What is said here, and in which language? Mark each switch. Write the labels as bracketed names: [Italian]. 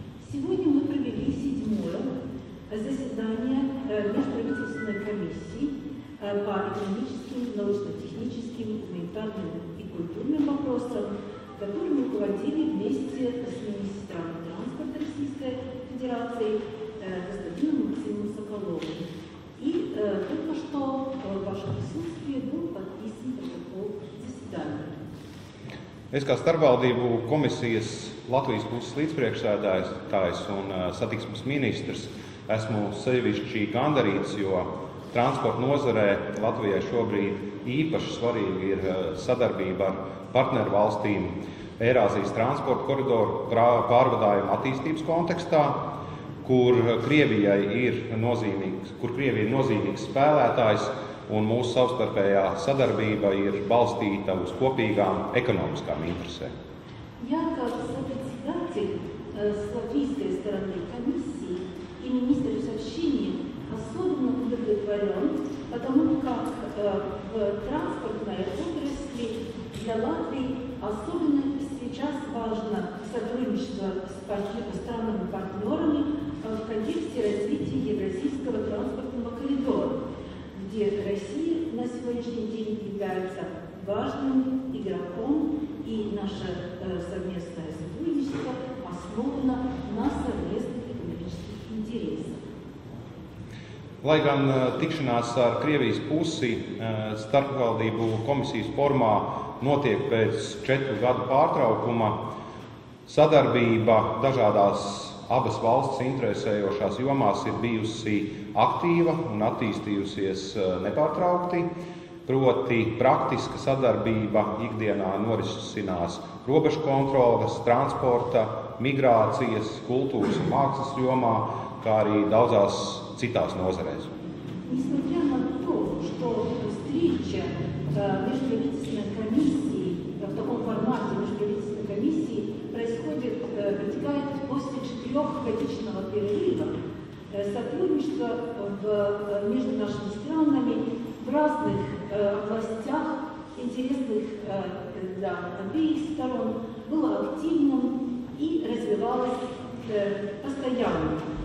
[Russian] Сегодня мы провели 7-е заседание Межправительственной комиссии по экономическим, научно-техническим, гуманитарным и культурным вопросам, которые мы руководили вместе с министром транспорта Российской Федерации господином Максимом Соколовым. И только что в вашем присутствии был подписан протокол заседания. [Latvian] Es kā starpvaldību komisijas Latvijas puses līdzpriekšsēdētājs un satiksmes ministrs esmu sevišķi gandarīts, jo transporta nozarē Latvijai šobrīd īpaši svarīgi ir sadarbība ar partneru valstīm Eirāzijas transporta koridoru pārvadājuma attīstības kontekstā, kur Krievija ir nozīmīgs spēlētājs, un mūsu savstarpējā sadarbība ir balstīta uz kopīgām ekonomiskām interesēm. [Russian] Я как сопредседатель с латвийской стороны комиссии и министр сообщения особенно удовлетворен, потому как в транспортной отрасли для Латвии особенно сейчас важно сотрудничество с странами-партнерами в контексте развития Евразийского транспортного коридора, где Россия на сегодняшний день является важным игроком, и наше совместное сотрудничество основано на совместных экономических интересах. [Latvian] Lai gan tikšanās ar Krievijas pusi starpvaldību komisijas formā notiek pēc 4 gadu pārtraukuma, sadarbība dažādās abas valsts interesējošās jomās ir bijusi aktīva un attīstījusies nepārtraukti, proti praktiska sadarbība ikdienā norisinās robežu kontroles, transporta, migrācijas, kultūras un mākslas jomā, kā arī daudzās citās nozarēs. [Russian] Несмотря на то, что встреча Межправительственной комиссии в таком формате Межправительственной комиссии происходит, протекает после 4-годичного перерыва, сотрудничество между нашими странами в разных областях, интересных для обеих сторон, было активным и развивалось постоянно.